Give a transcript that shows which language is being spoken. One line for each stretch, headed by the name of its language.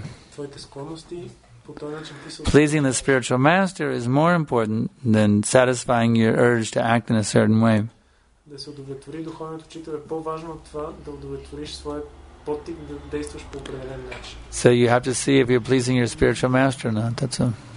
Bulgarian: твоите склонности по този начин ти се отказваш.
English: Pleasing the spiritual master is more important than satisfying your urge to act in a certain way.
Bulgarian: Да се удовлетвори духовният учител е по-важно от това да удовлетвориш своя потик да действаш по определен начин.
English: So you have to see if you're pleasing your spiritual master or not. That's a...